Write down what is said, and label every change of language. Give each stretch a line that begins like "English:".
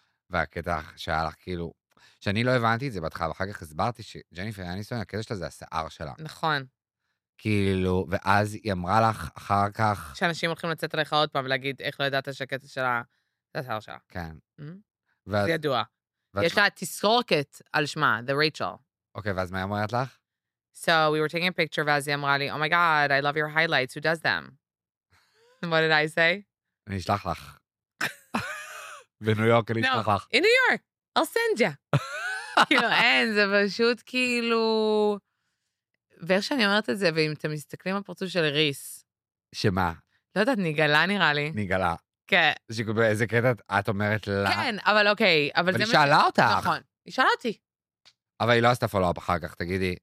Hebrew: והקטע שהיה לך כאילו, שאני לא הבנתי את זה בהתחלה, ואחר כך הסברתי שג'ניפר אניסטון, הקטע שלה זה השיער שלה. נכון. כאילו, ואז היא אמרה לך אחר כך... שאנשים הולכים לצאת עליך עוד פעם ולהגיד איך לא ידעת שהקטע שלה זה השיער שלה. כן. ואז... זה ידוע. ואת... יש לה תסרוקת על שמה, the Rachel. אוקיי, ואז מה היא אומרת לך?
English: So we were taking a picture,
Hebrew: ואז היא אמרה לי,
English: oh my god, I love your highlights, who does them? What did I say?
Hebrew: אני אשלח לך. בניו יורק אני אשלח לך.
English: No, in New York, I'll send you.
Hebrew: כאילו, אין, זה פשוט כאילו... ואיך שאני אומרת את זה, ואם אתם מסתכלים על פרצוף של ריס... שמה? לא יודעת, ניגלה נראה לי. ניגלה. כן. איזה קטע את אומרת לה... כן, אבל אוקיי, אבל זה... אבל היא שאלה אותך. נכון, היא שאלה אותי. אבל היא לא עשתה פולו-אפ אחר כך, תגידי.